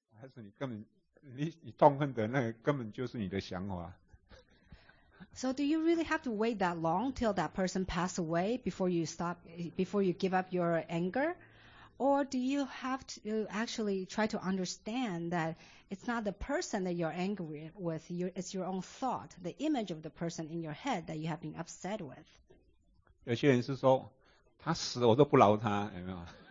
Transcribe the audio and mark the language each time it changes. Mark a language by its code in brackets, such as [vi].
[zh] 但是你根本你痛恨的那个根本就是你的想法。 [en] So do you really have to wait that long till that person pass away before you stop, before you give up your anger? Or do you have to actually try to understand that it's not the person that you're angry with, it's your own thought, the image of the person in your head that you have been upset with? [zh] 有些人是说，他死我都不饶他，有没有？